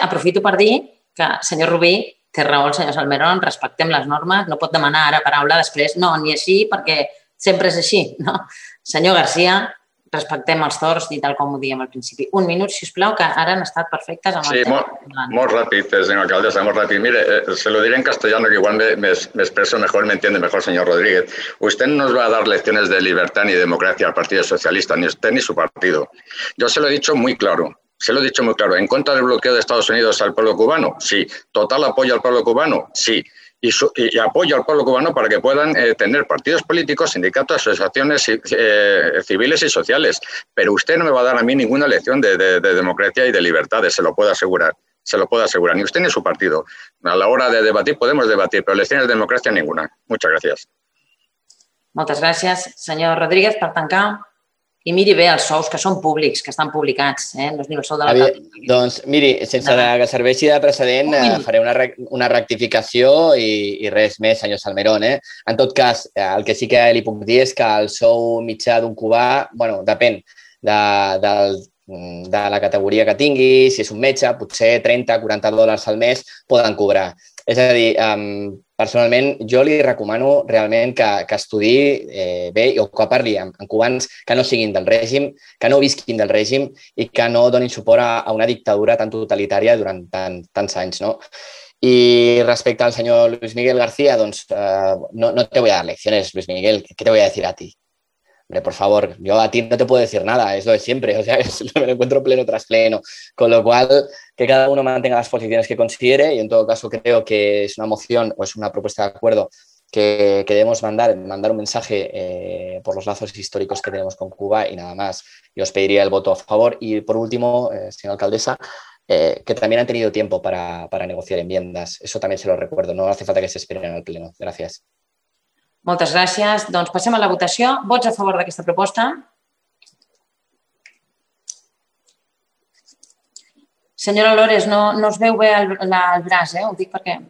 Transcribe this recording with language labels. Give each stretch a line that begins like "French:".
Catalan: Aprofito per dir que, senyor Rubí, té raó el senyor Salmerón, respectem les normes, no pot demanar ara paraula després, no, ni així, perquè sempre és així, no? Senyor García, respectem els torns i tal com ho diem al principi. Un minut, si us plau, que ara han estat perfectes. Amb sí, molt ràpid, senyor alcaldessa, molt ràpid.
Spanish: Mire, se lo diré en castellano, que igual me expreso mejor, me entiende mejor, señor Rodríguez. Usted no nos va a dar lecciones de libertad ni democracia al Partido Socialista, ni usted ni su partido. Yo se lo he dicho muy claro. Se lo he dicho muy claro. ¿En contra del bloqueo de Estados Unidos al pueblo cubano? Sí. ¿Total apoyo al pueblo cubano? Sí. Y apoyo al pueblo cubano para que puedan tener partidos políticos, sindicatos, asociaciones civiles y sociales. Pero usted no me va a dar a mí ninguna lección de democracia y de libertades, se lo puedo asegurar. Se lo puedo asegurar. Ni usted ni su partido. A la hora de debatir podemos debatir, pero lecciones de democracia ninguna. Muchas gracias. Muchas gracias, señor Rodríguez,
Catalan: per tancar. I miri bé els sous, que són públics, que estan publicats, no és ni el sou de la... Doncs miri, sense que serveixi de precedent, faré una rectificació i res més, senyor Salmerón. En tot cas, el que sí que li puc dir és que el sou mitjà d'un cubà, bueno, depèn de la categoria que tingui, si és un metge, potser 30-40 dòlars al mes poden cobrar. És a dir, personalment, jo li recomano realment que estudiï bé o que parli amb cubans que no siguin del règim, que no visquin del règim i que no donin suport a una dictadura tan totalitària durant tants anys, no? I respecte al senyor Luis Miguel García, doncs
Spanish: no te voy a dar lecciones, Luis Miguel, ¿qué te voy a decir a ti? Hombre, por favor, yo a ti no te puedo decir nada, es lo de siempre, o sea, me lo encuentro pleno tras pleno. Con lo cual, que cada uno mantenga las posiciones que considere y en todo caso creo que es una moción o es una propuesta de acuerdo que debemos mandar un mensaje por los lazos históricos que tenemos con Cuba y nada más. Yo os pediría el voto a favor y por último, señora alcaldesa, que también han tenido tiempo para negociar enmiendas, eso también se lo recuerdo, no hace falta que se esperen en el pleno. Gracias.
Catalan: Moltes gràcies. Doncs passem a la votació. Vots a favor d'aquesta proposta? Senyora Lores, no, no es veu bé el braç, ho dic perquè...